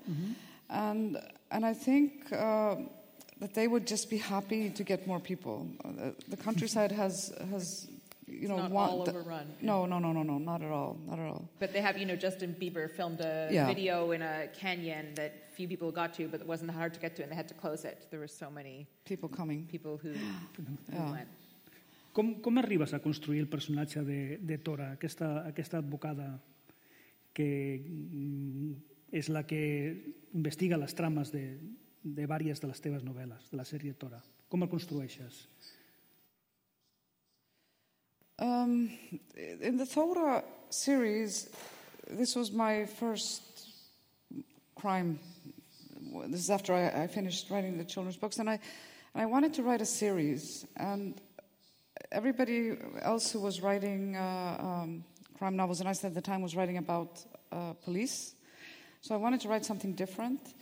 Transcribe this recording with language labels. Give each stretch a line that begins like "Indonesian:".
English: Mm-hmm. And I think that they would just be happy to get more people. The countryside has you know, it's not all overrun. No, not at all. But they have, you know, Justin Bieber filmed a video in a canyon that few people got to, but it wasn't hard to get to, and they had to close it. There were so many people coming. People who went.
Catalan: Com arribes a construir el personatge de Tora, aquesta advocada que és la que investiga les trames de diverses de les teves novel·les, de la sèrie Tora? Com el construeixes?
English: In the Thora series, this was my first crime. This is after I finished writing the children's books, and I wanted to write a series. And everybody else who was writing crime novels, and I said at the time was writing about police, so I wanted to write something different.